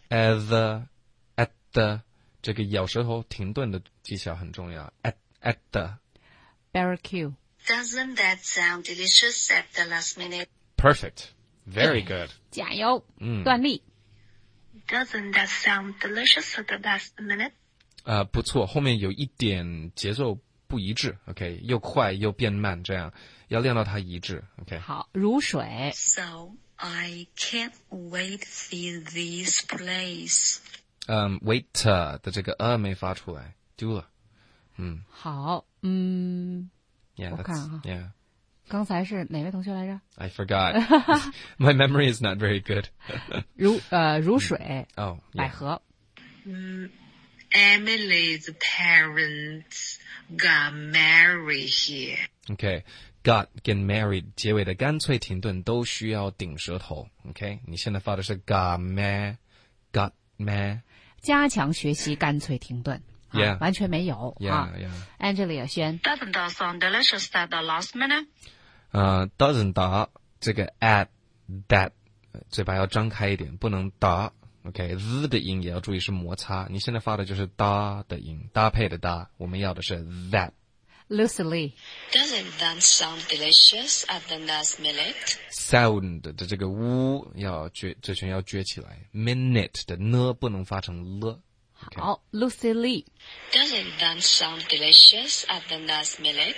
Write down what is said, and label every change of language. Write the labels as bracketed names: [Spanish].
[Chinese] At the, 这个咬舌头停顿的技巧很重要。At the. [English] Barbecue. Doesn't that sound delicious at the last minute? Perfect. Very good. [Chinese] 加油。段丽。 [English] Doesn't that sound delicious at the last minute? [Chinese] 不错，后面有一点节奏不一致 ,OK, 又快又变慢这样要练到它一致 ,OK。好，如水。 [English] So, I can't wait to see this place. [Chinese] Wait 的这个没发出来 ,do 了。好 [English] Yeah, [Chinese] 我看啊。 [English] Yeah. [Chinese] 刚才是哪位同学来着 [English] ?I forgot. My memory is not very good. [Chinese] 如水。 [English] Oh, yeah. [Chinese] 百合。 [English] Emily's parents got married here. Okay, got get married. [Chinese] 结尾的干脆停顿都需要顶舌头。 Okay, 你现在发的是 got married. 加强学习干脆停顿。 [English] Yeah, [Chinese] 完全没有。 [English] Yeah. [Chinese] Angelia 轩。 [English] Doesn't that sound delicious at the last minute? [Chinese] Doesn't that 这个 at that 嘴巴要张开一点，不能 da。 OK, Z 的音也要注意是摩擦。你现在发的就是搭的音，搭配的搭。我们要的是 that. Lucy Lee. [English] Doesn't that sound delicious at the last minute? [Chinese] Sound 的这个呜要撅，嘴唇要撅起来。 Minute 的呢不能发成了。好 ,Lucy Lee. [English] Doesn't that sound delicious at the last minute?